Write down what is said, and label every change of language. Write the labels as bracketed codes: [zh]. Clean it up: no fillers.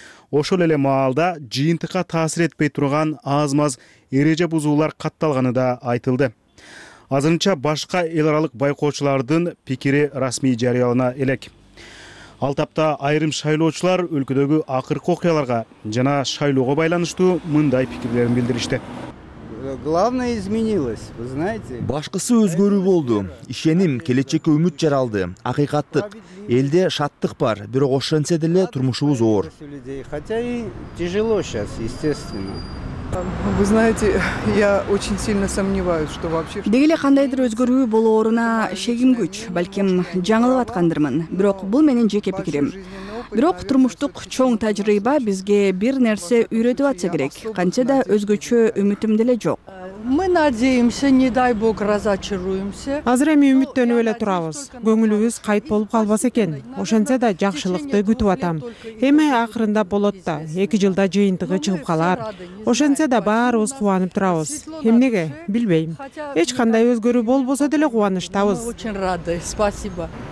[ky] Ошол эле маалда жыйынтыкка таасир этпей турган аз-маз эреже бузуулар катталганы да айтылды. Азырынча башка эл аралык байкоочулардын пикири расмий жарыялана элек. Ал тапта айрым шайлоочулар өлкөдөгү акыркы окуяларга жана шайлоого байланыштуу мындай пикирлерин билдиришти. [ru] Главное изменилось, вы знаете. [ky] Башкысы өзгөрүү болду. Ишеним, келечекке үмүт жаралды. Акыйкаттык. Элде шаттык бар, бирок ошентсе деле турмушубуз оор. [ru] Хотя и тяжело сейчас, естественно. Вы знаете, я очень сильно сомневаюсь, что вообще. [ky] Деги эле кандайдыр өзгөрүү болооруна шегим күч, балким жаңылып аткандырмын. Бирок бул менин жеке пикирим. Бирок турмуштук чоң тажрыйба бизге бир нерсе үйрөтүп атса керек. Канча да өзгөчө үмүтүм деле жок. [ru] Мы надеемся, не дай бог разочаруемся. [ky] Азыр эми үмүттөнүп эле турабыз. Көңүлүбүз кайт болуп калбаса экен. Ошентсе да жакшылыкты күтүп атам. Эми акырында болот да. 2 жылда жыйынтыгы чыгып калар. Ошентсе да баарыбыз кубанып турабыз. Эмнеге? Билбейм. Эч кандай өзгөрүү болбосо деле кубанычтабыз. [ru] Очень рады. Спасибо.